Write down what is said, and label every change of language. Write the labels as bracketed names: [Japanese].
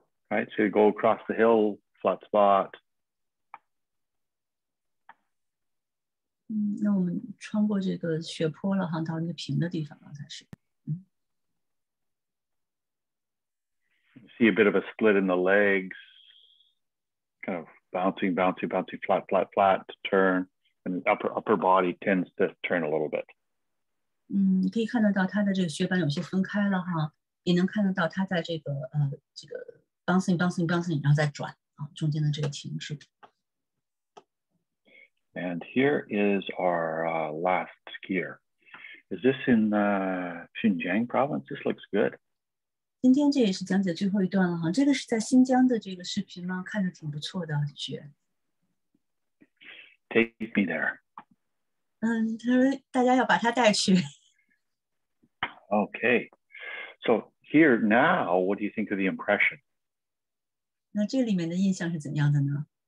[English] All right, so you go across the hill, flat spot. [Chinese] 那我们穿过这个雪坡了哈，到那个平的地方了，才是。 [English] See a bit of a split in the legs. Kind of bouncing, bouncing, bouncing, flat, flat, flat, to turn, and the upper body tends to turn a little bit. [Chinese] 可以看得到他的这个血管有些分开了哈，也能看得到他在这个这个 [English] bouncing, bouncing, bouncing, [Chinese] 然后再转啊，中间的这个停滞。 [English] And here is our last skier. Is this in Xinjiang province? This looks good. [Chinese] 今天这也是讲解最后一段了哈，这个是在新疆的这个视频吗？看着挺不错的，雪。 [English] Take me there. [Chinese] 他说大家要把他带去。 [English] Okay, so here now, what do you think of the impression? [Chinese] 那这里面的印象是怎样的呢？